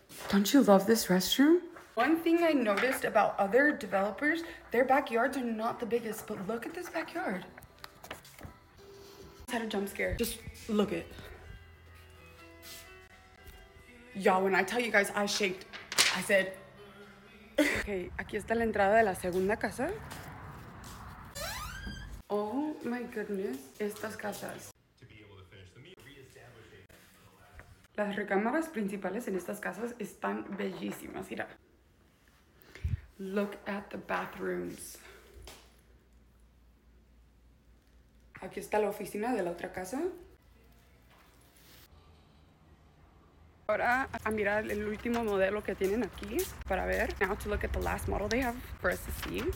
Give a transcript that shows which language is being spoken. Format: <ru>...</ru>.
<en>Don't you love this restroom? One thing I noticed about other developers, their backyards are not the biggest, but look at this backyard. I had a jump scare. Just look it. Y'all, when I tell you guys, I shaked. I said.</en> <es>Okay, aquí está la entrada de la segunda casa.</es> <en>Oh my goodness,</en> <es>estas casas. Las recámaras principales en estas casas están bellísimas, mira.</es> <en>Look at the bathrooms.</en> <es>Aquí está la oficina de la otra casa. Ahora a mirar el último modelo que tienen aquí para ver.</es> <en>Now to look at the last model they have for us to see.</en>